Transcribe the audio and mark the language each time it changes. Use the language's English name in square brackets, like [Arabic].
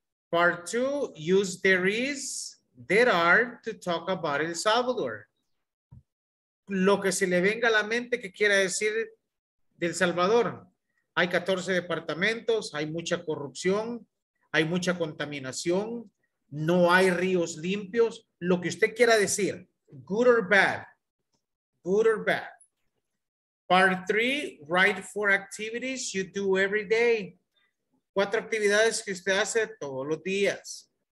[English] Part two, use there is, there are to talk about El Salvador. [Spanish] Lo que se le venga a la mente que quiera decir de El Salvador. Hay 14 departamentos, hay mucha corrupción, hay mucha contaminación, no hay ríos limpios. Lo que usted quiera decir, [English] good or bad, good or bad. Part three, write four activities you do every day. [Spanish] Cuatro actividades que usted hace todos los días.